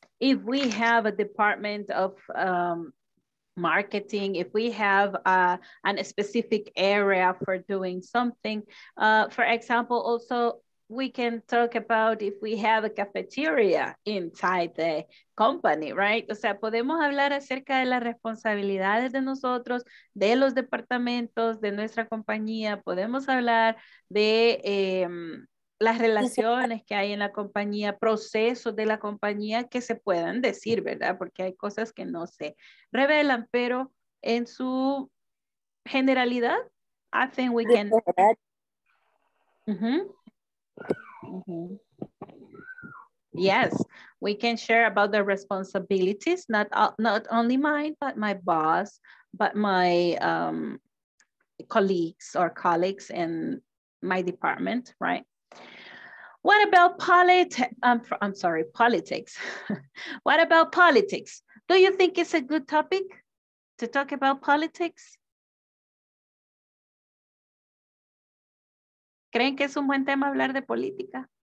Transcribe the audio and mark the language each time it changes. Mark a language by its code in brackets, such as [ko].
[en] If we have a department of marketing, if we have a specific area for doing something. For example, also we can talk about if we have a cafeteria inside the company, right? [es] O sea, podemos hablar acerca de las responsabilidades de nosotros, de los departamentos, de nuestra compañía. Podemos hablar de las relaciones que hay en la compañía, procesos de la compañía que se puedan decir, ¿verdad? Porque hay cosas que no se revelan, pero en su generalidad, [en] I think we can... [es] Uh-huh. Uh-huh. [en] Yes, we can share about the responsibilities, not only mine, but my boss, but my colleagues in my department, right? What about politics. What about politics? Do you think it's a good topic to talk about politics? [es] ¿Creen que es un buen tema hablar de política?